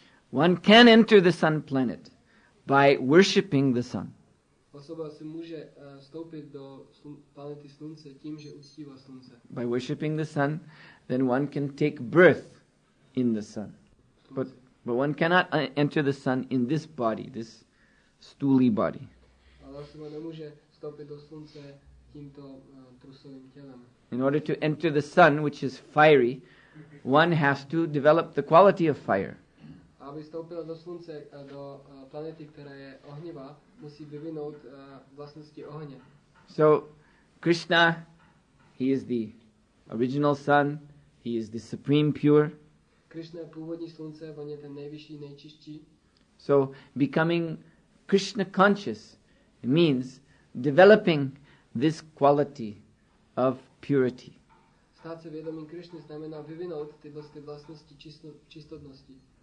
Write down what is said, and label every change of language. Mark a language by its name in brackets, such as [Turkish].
[English] One can enter the sun planet by worshipping the sun. [Czech] Osoba si může vstoupit do planety slunce tím, že uctívá slunce. [English] By worshipping the sun, then one can take birth in the sun. But one cannot enter the sun in this body, this stooly body. [Czech] Ale osoba nemůže vstoupit do slunce tímto trusovým tělem. [English] In order to enter the sun, which is fiery, one has to develop the quality of fire. [Czech] Aby vstoupila do slunce, do planety, která je ohnivá, musí vyvinout vlastnosti ohně. [English] So, Krishna, he is the original sun, he is the supreme pure. [Czech] Krishna je původní slunce, on je ten nejvyšší, nejčistší. [English] So, becoming Krishna conscious means developing this quality of purity. [Czech] Stát se vědomým Krishna znamená vyvinout tyto vlastnosti čistotnosti.